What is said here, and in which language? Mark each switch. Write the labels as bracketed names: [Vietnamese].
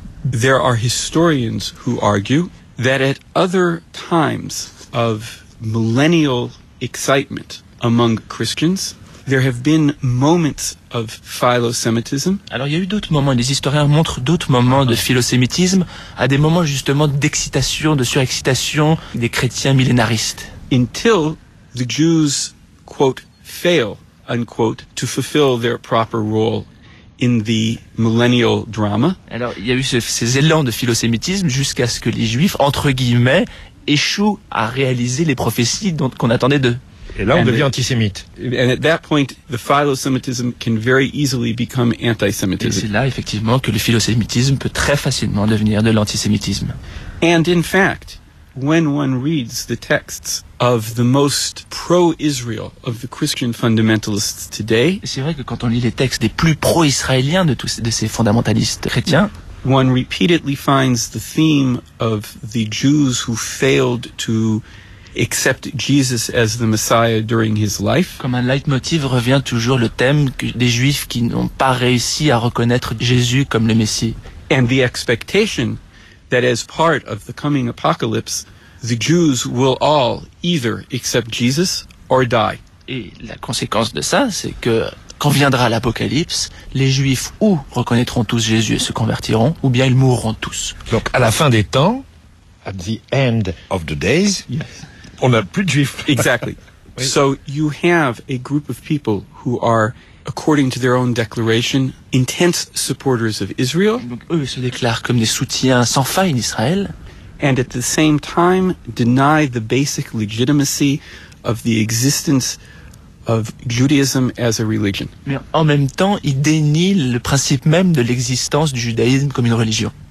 [English] There are historians who argue that at other times of millennial excitement among Christians, there have been moments of philosemitism. [French] Alors il y a eu d'autres moments, les historiens montrent d'autres moments de philosémitisme à des moments justement d'excitation, de surexcitation des chrétiens millénaristes. [English] Until the Jews, quote, fail, unquote, to fulfill their proper role in the millennial drama. [French] Alors, il y a eu ces élans de philosémitisme jusqu'à ce que les Juifs, entre guillemets, échouent à réaliser les prophéties qu'on attendait d'eux. Et là, on devient antisémite. [English] And at that point, the philosémitisme can very easily become antisémitisme. [French] Et c'est là, effectivement, que le philosémitisme peut très facilement devenir de l'antisémitisme. [English] And in fact, when one reads the texts of the most pro-Israel of the Christian fundamentalists today, [French] c'est vrai que quand on lit les textes des plus pro-israéliens de ces fondamentalistes chrétiens, [English] one repeatedly finds the theme of the Jews who failed to accept Jesus as the Messiah during his life. [French] Comme un leitmotiv revient toujours le thème des Juifs qui n'ont pas réussi à reconnaître Jésus comme le Messie. [English] And the expectation that as part of the coming apocalypse, the Jews will all either accept Jesus or die. [French] Et la conséquence de ça, c'est que quand viendra l'apocalypse, les Juifs ou reconnaîtront tous Jésus et se convertiront, ou bien ils mourront tous. Donc à la fin des temps, [English] at the end of the days, yes, [French] on n'a plus de Juifs. [English] Exactly. So you have a group of people who are, according to their own declaration, intense supporters of Israel. [French] Donc eux se déclarent comme des soutiens sans faille d'Israël. [English] And at the same time deny the basic legitimacy of the existence of Judaism as a religion. [French] Mais en même temps, ils dénient le principe même de l'existence du judaïsme comme une religion.